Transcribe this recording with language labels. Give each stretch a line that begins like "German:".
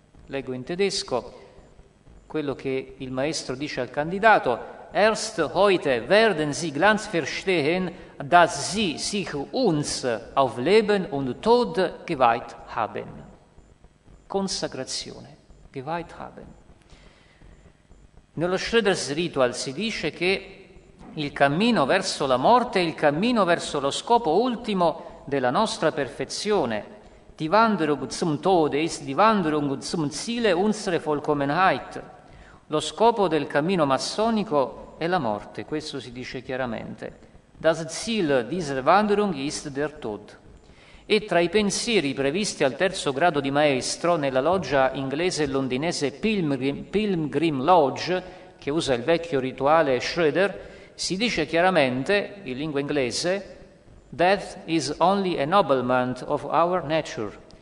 Italian: Leggo in tedesco quello che il maestro dice al candidato:
German: Erst heute werden Sie ganz verstehen, dass Sie sich uns auf Leben und Tod geweiht haben. Consacrazione, geweiht haben.
Italian: Nello Schroeder's Ritual si dice che il cammino verso la morte è il cammino verso lo scopo ultimo della nostra perfezione.
German: Die Wanderung zum Tode ist die Wanderung zum Ziele unserer Vollkommenheit.
Italian: Lo scopo del cammino massonico è la morte, questo si dice chiaramente.
German: Das Ziel dieser Wanderung ist der Tod.
Italian: E tra i pensieri previsti al terzo grado di maestro nella loggia inglese e londinese Pilgrim Lodge, che usa il vecchio rituale Schroeder, si dice chiaramente, in lingua inglese,
English: Death is only a noblement of our nature.